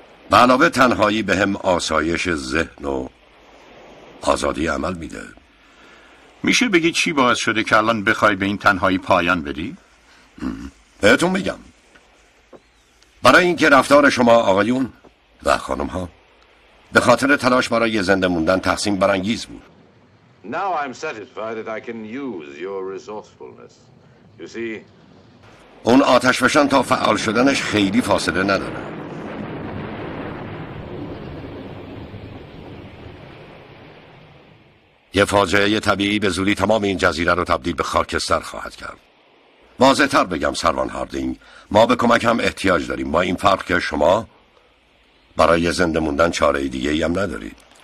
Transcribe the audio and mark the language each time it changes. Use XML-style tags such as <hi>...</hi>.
<fa>به علاوه تنهایی به هم آسایش ذهن و آزادی عمل میده. میشه بگی چی باعث شده که الان بخوای به این تنهایی پایان بدی؟ بهتون میگم. برای اینکه رفتار شما آقایون و خانم ها به خاطر تلاش برای زنده موندن تحسین برانگیز بود.</fa> <en>Now I'm satisfied that I can use your resourcefulness. You see?</en> <fa>اون آتش فشان تا فعال شدنش خیلی فاصله نداره. یه فاجعه طبیعی به زودی تمام این جزیره رو تبدیل به خاکستر خواهد کرد. واضح تر بگم سروان هاردینگ، ما به کمک هم احتیاج داریم، با این فرق که شما برای زنده موندن چاره دیگه ای هم ندارید.</fa>